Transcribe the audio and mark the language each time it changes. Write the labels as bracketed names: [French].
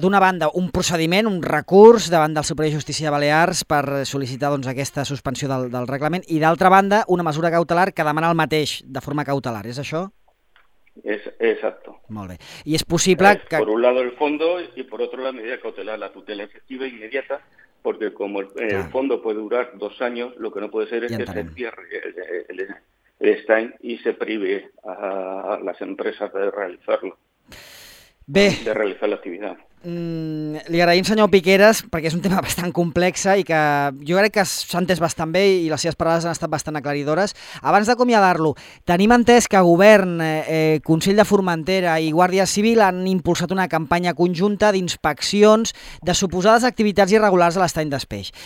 [Catalan] D'una banda, un procediment, un recurs davant del Superior de Justícia de Balears per sol·licitar doncs, aquesta suspensió del reglament i, d'altra banda, una mesura cautelar que demana el mateix de forma cautelar. És això? [Spanish] Exacto. [Catalan] Molt bé. I és possible que... [Spanish] Por un lado el fondo y por otro la medida cautelar, la tutela efectiva e inmediata, porque como el fondo puede durar dos años, lo que no puede ser es que se cierre el y se prive a las empresas de realizarlo. [Catalan] Bé, [Spanish] de realizar l'activitat. [Catalan] Li agraïm, senyor Piqueras, perquè és un tema bastant complex i que jo crec que s'ha entès bastant bé i les seves paraules han estat bastant aclaridores. Abans d'acomiadar-lo, tenim entès que Govern, Consell de Formentera i Guàrdia Civil han impulsat una campanya conjunta d'inspeccions de suposades activitats irregulars a l'estany d'Espeix.